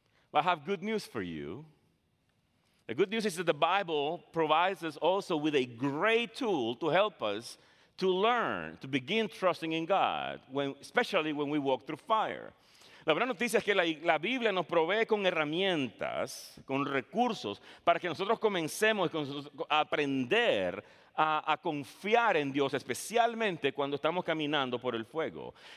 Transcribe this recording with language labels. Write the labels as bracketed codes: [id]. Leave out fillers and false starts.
[en] But I have good news for you. The good news is that the Bible provides us also with a great tool to help us to learn, to begin trusting in God, especially when we walk through fire. [es] La buena noticia es que la Biblia nos provee con herramientas, con recursos, para que nosotros comencemos a aprender a confiar en Dios, especialmente cuando estamos caminando por el fuego.